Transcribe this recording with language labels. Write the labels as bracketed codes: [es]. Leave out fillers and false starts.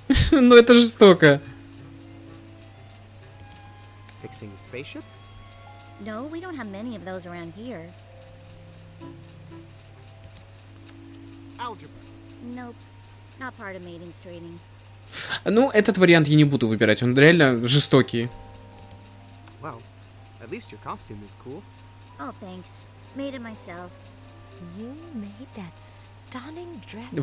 [ru] Ну это жестоко. [en] fixing spaceships? No, we don't have many of those around here. Algebra. Nope, not part of mating's training. [ru] Ну, этот вариант я не буду выбирать, он реально жестокий. [en] Well, at least your costume is cool. Oh, thanks. Made it myself. You made that stunning dress.